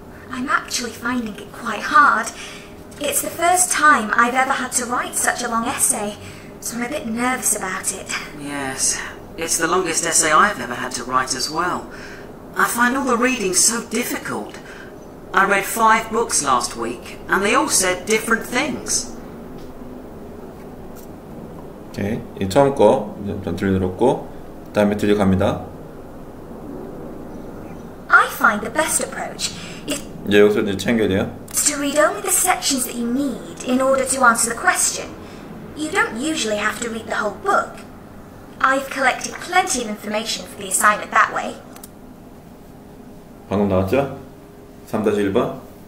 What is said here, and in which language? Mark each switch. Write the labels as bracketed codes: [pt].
[en] I'm actually finding it quite hard. It's the first time I've ever had to write such a long essay, so I'm a bit nervous about it. Yes, it's the longest essay I've ever had to write as well. I find all the reading so difficult. I read 5 books last week, and they all said different things. [ko] Okay, 이 처음 거 좀 들려드렸고 다음에 들려갑니다. [en] I find the best approach. [ko] 이제 여기서 이제 챙겨야 돼요. [en] To read only the sections that you need in order to answer the question. You don't usually have to read the whole book. I've collected plenty of information for the assignment that way. [ko] 방금 나왔죠? 3-1번?